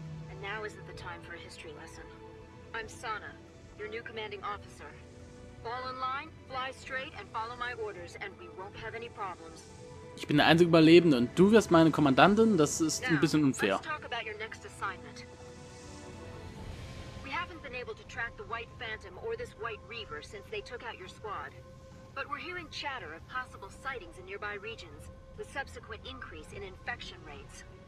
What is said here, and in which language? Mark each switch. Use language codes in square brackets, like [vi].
[en] And now isn't the time for a history lesson. I'm Sana, your new commanding officer. Fall in line, fly straight and follow my orders and we won't have any problems. [de] Ich bin der einzige Überlebende und du wirst meine Kommandantin? Das ist ein bisschen unfair. [en] Let's talk about your next assignment. We haven't been able to track the White Phantom or this White Reaver since they took out your squad. But we're hearing chatter of possible sightings in nearby regions, with subsequent increase in infection rates.